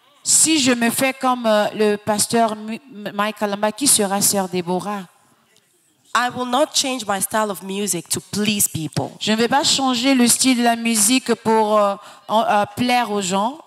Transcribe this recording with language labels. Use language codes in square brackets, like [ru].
[fr] Si je me fais comme le pasteur Mike Kalambai, qui sera sœur Deborah? [en] I will not change my style of music to please people. [fr] Je ne vais pas changer le style de la musique pour plaire aux gens.